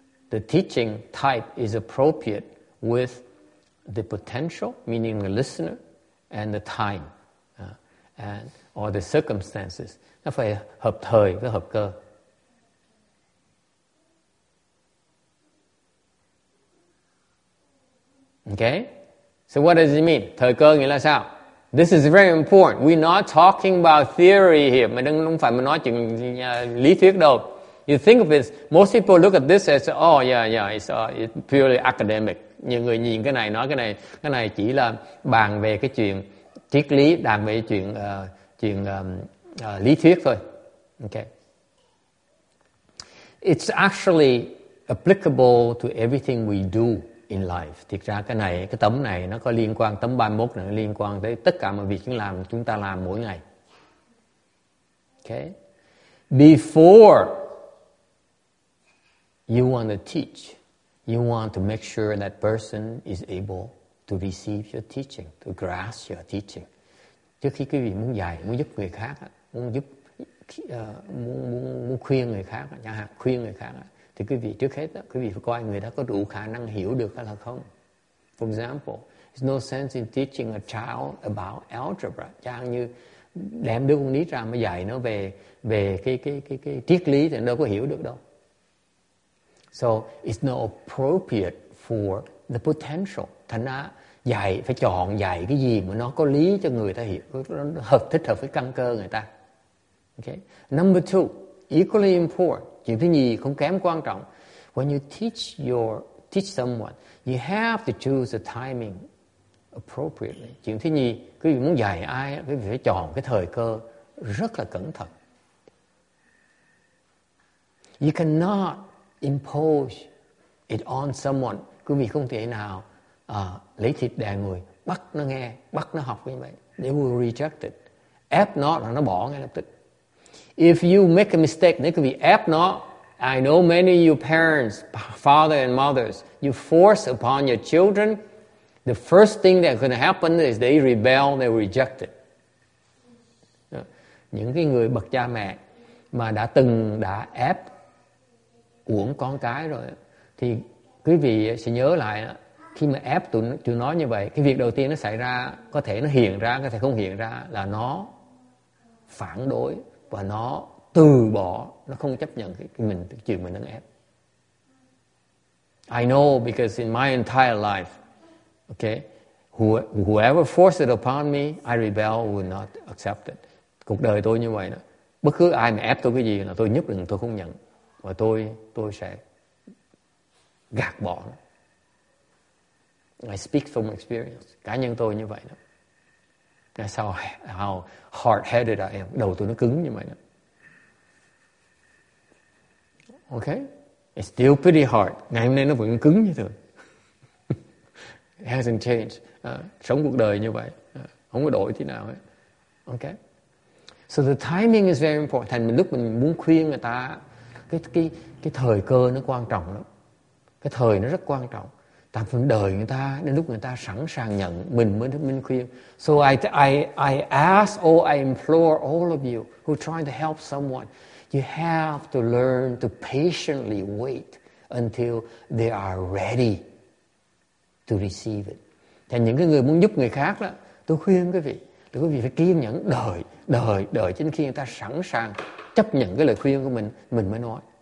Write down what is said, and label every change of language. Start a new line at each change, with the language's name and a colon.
English: The teaching type is appropriate with the potential, meaning the listener, and the time, and or the circumstances.
Vietnamese: Nó phải hợp thời với hợp cơ.
English: Okay, so what does it mean?
Vietnamese: Thời cơ nghĩa là sao?
English: This is very important. We're not talking about theory here.
Vietnamese: Mình đừng phải mình nói chuyện lý thuyết đâu.
English: You think of it, most people look at this as, oh yeah, yeah, it's purely academic.
Vietnamese: Nhiều người nhìn cái này, nói cái này chỉ là bàn về cái chuyện triết lý, bàn về chuyện chuyện lý thuyết thôi.
English: Okay. It's actually applicable to everything we do in life.
Vietnamese: Thực ra cái này, cái tấm này nó có liên quan, tấm 31 này nó liên quan tới tất cả mọi việc chúng ta làm mỗi ngày. Okay.
English: Before you want to teach, you want to make sure that person is able to receive your teaching, to grasp your teaching.
Vietnamese: Trước khi quý vị muốn dạy, muốn giúp người khác, muốn khuyên người khác, chẳng hạn khuyên người khác, thì quý vị trước hết, quý vị phải coi người đó có đủ khả năng hiểu được hay là không.
English: For example, there's no sense in teaching a child about algebra.
Vietnamese: Chẳng như đem đứa con nít ra mà dạy nó về về cái triết lý thì nó đâu có hiểu được đâu.
English: So it's not appropriate for the potential.
Vietnamese: Thành ra dạy phải chọn dạy cái gì mà nó có lý cho người ta hiểu, nó hợp thích hợp với căn cơ người ta. Okay.
English: Number two, equally important.
Vietnamese: Chuyện thứ nhì không kém quan trọng.
English: When you teach someone, you have to choose the timing appropriately.
Vietnamese: Chuyện thứ nhì, quý vị muốn dạy ai, quý vị phải chọn cái thời cơ rất là cẩn thận.
English: You cannot impose it on someone.
Vietnamese: Quý vị không thể nào lấy thịt đè người, bắt nó nghe, bắt nó học như vậy.
English: They will reject it.
Vietnamese: Ép nó là nó bỏ ngay lập tức.
English: If you make a mistake,
Vietnamese: nếu quý vị ép nó,
English: I know many of your parents, father and mothers, you force upon your children, the first thing that can happen is they rebel, they reject it.
Vietnamese: Những cái người bậc cha mẹ mà đã từng đã ép uổng con cái rồi, thì quý vị sẽ nhớ lại, khi mà ép tụi nó như vậy, cái việc đầu tiên nó xảy ra, có thể nó hiện ra, có thể không hiện ra, là nó phản đối và nó từ bỏ, nó không chấp nhận cái chuyện mình đang ép.
English: I know because in my entire life, okay, whoever forced it upon me, I rebel, would not accept it.
Vietnamese: Cuộc đời tôi như vậy đó. Bất cứ ai mà ép tôi cái gì là tôi nhất định tôi không nhận. Và tôi sẽ gạt bỏ.
English: I speak from experience.
Vietnamese: Cá nhân tôi như vậy đó.
English: That's how hard-headed I am.
Vietnamese: Đầu tôi nó cứng như vậy đó.
English: Okay? It's still pretty hard.
Vietnamese: Ngày hôm nay nó vẫn cứng như thường.
English: It hasn't changed.
Vietnamese: Sống cuộc đời như vậy. Không có đổi thế nào hết. Okay?
English: So the timing is very important.
Vietnamese: Thành lúc mình muốn khuyên người ta, cái thời cơ nó quan trọng lắm. Cái thời nó rất quan trọng. Tạm phần đời người ta, đến lúc người ta sẵn sàng nhận, mình mới được minh khuyên.
English: So I ask or I implore all of you who are trying to help someone, you have to learn to patiently wait until they are ready to receive it.
Vietnamese: Thành những cái người muốn giúp người khác đó, tôi khuyên quý vị, là quý vị phải kiên nhẫn đợi chính khi người ta sẵn sàng chấp nhận cái lời khuyên của mình mới nói.